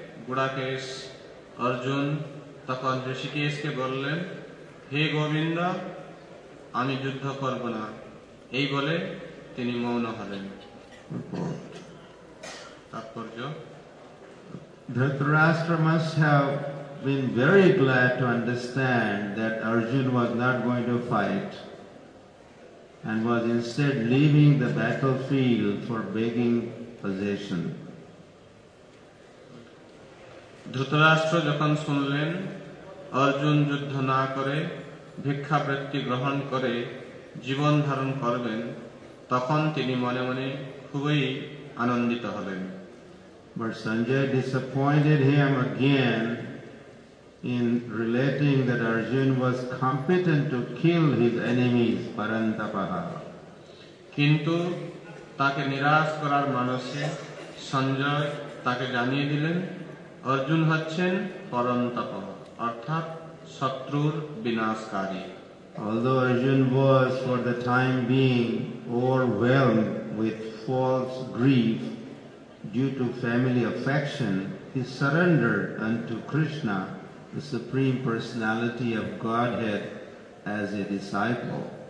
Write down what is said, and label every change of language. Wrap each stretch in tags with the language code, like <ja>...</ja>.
<bn>গুড়াকেশ অর্জুন তখন ঋষিকেশকে বললেন হে গোবিন্দ আমি যুদ্ধ করব না এই বলে তিনি মৌন হলেন তাৎপর্য</bn> <en>Dhritarashtra must have been very glad to understand that Arjun was not going to fight and was instead leaving the battlefield for begging possession.</en> <bn>Dhritarashtra যখন শুনলেন অর্জুন যুদ্ধ না করে ভিক্ষাবৃত্তি গ্রহণ করে জীবন ধারণ করবেন তখন তিনি মনে মনে খুবই আনন্দিত হলেন</bn> <en>but Sanjay disappointed him again in relating that Arjun was competent to kill his enemies পরন্তপহ</en> <bn>কিন্তু তাকে নিরাশ করার মানসে সঞ্জয় তাকে জানিয়ে দিলেন অর্জুন হচ্ছেন পরন্তপ অর্থাৎ শত্রুর বিনাশকারী</bn> <en>although Arjun was for the time being overwhelmed with false grief due to family affection he surrendered unto Krishna the supreme personality of Godhead as a disciple</en>